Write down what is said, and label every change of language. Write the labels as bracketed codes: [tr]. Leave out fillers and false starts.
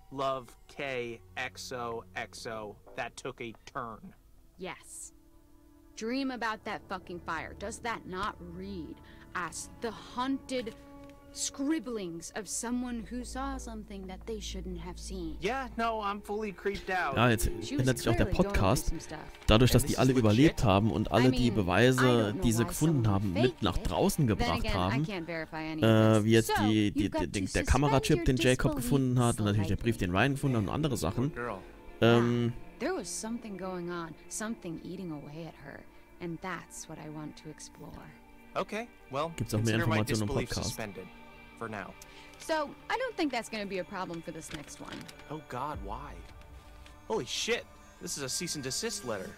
[en] love K XO XO. That took a turn. Yes. Dream about that fucking fire. Does that not read as the haunted scribblings of someone who saw something that they shouldn't have seen? Yeah, no, I'm fully creeped out. [de] Ja, jetzt ändert sich auch der Podcast. Dadurch, dass die alle überlebt haben und alle die Beweise, die sie gefunden haben, mit nach draußen gebracht haben, wie jetzt der Kamerachip, den Jacob gefunden hat, und natürlich der Brief, den Ryan gefunden hat und andere Sachen, [en] there was something going on, something eating away at her, and that's what I want to explore. Okay, well, [de] gibt's auch mehr Informationen im Podcast. [en] Suspended for now. So, I don't think that's going to be a problem for this next one. Oh God, why? Holy shit, this is a cease and desist letter.